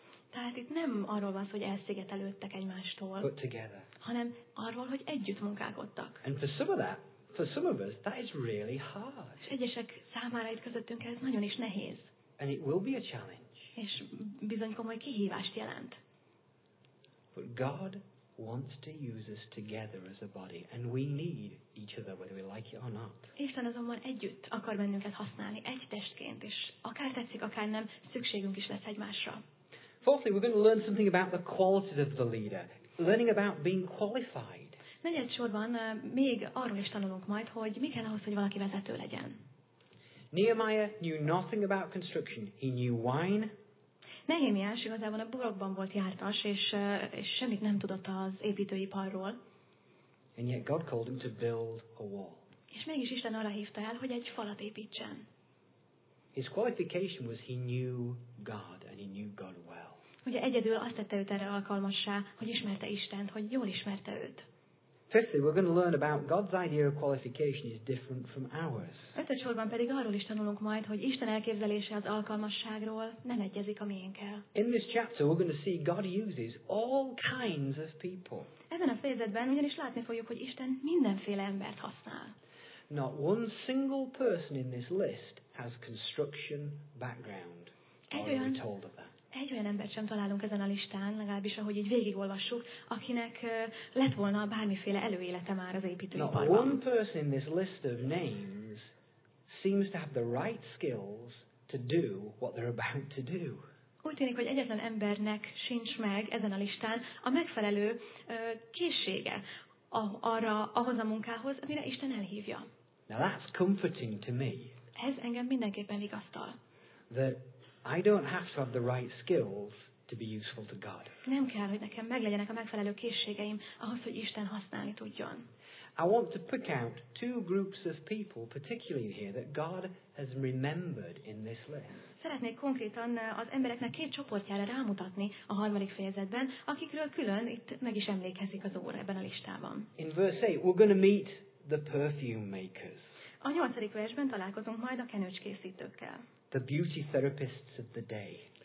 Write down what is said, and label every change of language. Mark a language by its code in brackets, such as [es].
[hu] Tehát itt nem arról van szó, hogy elszigetelődtek egymástól. [en] But together. [hu] Hanem arról, hogy együtt munkálkodtak. [en] And for some of that, for some of us, that is really hard. [hu] És egyesek számára itt közöttünk ez nagyon is nehéz. [en] And it will be a challenge. [hu] És bizony komoly kihívást jelent. [en] But God wants to use us together as a body, and we need each other, whether we like it or not. [hu] Isten azonban együtt akar bennünket használni, egy testként, és akár tetszik, akár nem, szükségünk is lesz egymásra. [en] Fourthly, we're going to learn something about the qualities of the leader, learning about being qualified. [hu] Negyedsorban még arról is tanulunk majd, hogy mi kell ahhoz, hogy valaki vezető legyen. [en] Nehemiah knew nothing about construction. He knew wine. [hu] Nehémiás igazából a burokban volt jártas, és semmit nem tudott az építőiparról. [en] And yet God called him to build a wall. [hu] És mégis Isten arra hívta el, hogy egy falat építsen. [en] His qualification was he knew God and he knew God well. [hu] Ugye egyedül azt tette őt erre alkalmassá, hogy ismerte Istent, hogy jól ismerte őt. [en] Fifthly, we're going to learn about God's idea of qualification is different from ours. [hu] Ötödsorban pedig arról is tanulunk majd, hogy Isten elképzelése az alkalmasságról nem egyezik a miénkkel. [en] In this chapter, we're going to see God uses all kinds of people. [hu] Ezen a fejezetben ugyanis látni fogjuk, hogy Isten mindenféle embert használ. [en] Not one single person in this list has construction background. [hu] Egy olyan embert sem találunk ezen a listán, legalábbis ahogy így végigolvassuk, akinek lett volna bármiféle előélete már az építőiparban. [en] Not one person in this list of names seems to have the right skills to do what they're about to do. [hu] Úgy tűnik, hogy egyetlen embernek sincs meg ezen a listán a megfelelő készsége ahhoz a munkához, amire Isten elhívja. [en] Now that's comforting to me. [hu] Ez engem mindenképpen igazol. [en] I don't have to have the right skills to be useful to God. [hu] Nem kell, hogy nekem meglegyenek a megfelelő készségeim ahhoz, hogy Isten használni tudjon. [en] I want to pick out two groups of people particularly here that God has remembered in this list. [hu] Szeretnék konkrétan az embereknek két csoportjára rámutatni a harmadik fejezetben, akikről külön itt meg is emlékezik az Úr ebben a listában. [en] In verse 8 we're going to meet the perfume makers. [hu] A nyolcadik versben találkozunk majd a kenőcskészítőkkel. [en] The beauty therapists of the day.